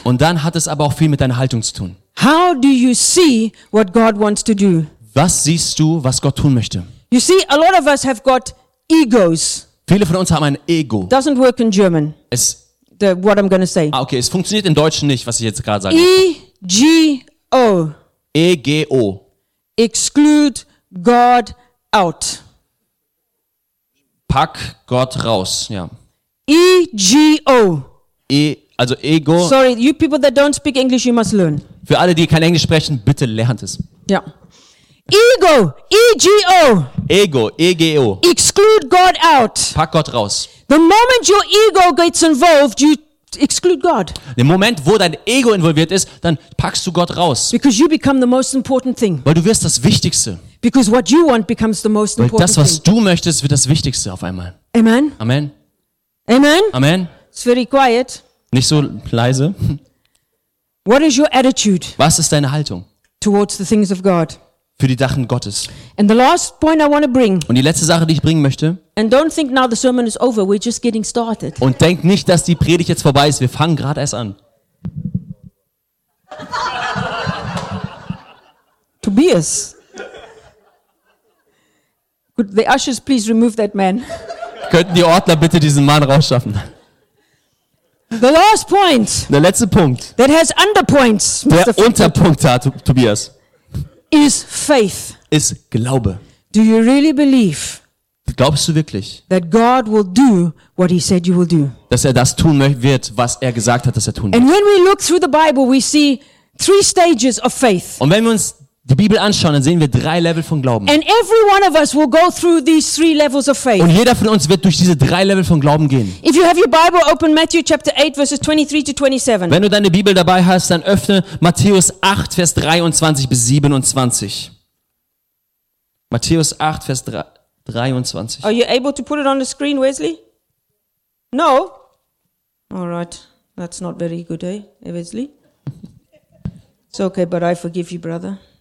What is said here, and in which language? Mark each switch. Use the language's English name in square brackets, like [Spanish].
[German] Und dann hat es aber auch viel mit deiner Haltung zu tun. [English] How do you see what God wants to do? [German] Was siehst du, was Gott tun möchte? [English] You see, a lot of us have got egos. [German] Viele von uns haben ein Ego. [English] Doesn't work in German. [German] Es [English] the, what I'm gonna say. [German] Ah, okay, es funktioniert im Deutschen nicht, was ich jetzt gerade sage. [English] E-G-O. E-G-O. Exclude God out. [German] Pack Gott raus, ja. [English] E-G-O. [German] E, also Ego. [English] Sorry, you people that don't speak English, you must learn. [German] Für alle, die kein Englisch sprechen, bitte lernt es. Ja. Ego, E-G-O. Ego, E-G-O. [English] Exclude God out. [German] Pack Gott raus. [English] The moment your ego gets involved, you exclude God. [German] Im Moment, wo dein Ego involviert ist, dann packst du Gott raus. [English] Because you become the most important thing. [German] Weil du wirst das Wichtigste. [English] Because what you want becomes the most important thing. [German] Weil das, was du möchtest, wird das Wichtigste auf einmal. Amen. Amen. Amen. Amen. [English] It's very quiet. [German] Nicht so leise. [English] What is your attitude? [German] Was ist deine Haltung? [English] Towards the things of God. [German] Für die Sachen Gottes. [English] And the last point I want to bring. [German] Und die letzte Sache, die ich bringen möchte. [English] And don't think now the sermon is over. We're just getting started. [German] Und denk nicht, dass die Predigt jetzt vorbei ist. Wir fangen gerade erst an. Tobias. [English] Could the ushers please remove that man? [German] Könnten die Ordner bitte diesen Mann rausschaffen? [English] The last point. [German] Der letzte Punkt. [English] That has underpoints. [German] Der Unterpunkt hat, Tobias. [English] Is faith. [German] Ist Glaube. [English] Do you really believe? [German] Glaubst du wirklich? [English] That God will do what he said you will do. [German] Dass er das tun wird, was er gesagt hat, dass er tun wird. [English] And when we look through the Bible, we see three stages of faith. [German] Und wenn wir uns die Bibel anschauen, dann sehen wir drei Level von Glauben. [English] And every one of us will go through these three levels of faith. [German] Und jeder von uns wird durch diese drei Level von Glauben gehen. [English] If you have your Bible, open Matthew chapter 8 verses 23 to 27. [German] Wenn du deine Bibel dabei hast, dann öffne Matthäus 8 Vers 23 bis 27. Matthäus 8 Vers 23. [English] Are you able to put it on the screen, Wesley? No. All right. That's not very good, eh, Wesley? It's okay, but I forgive you, brother.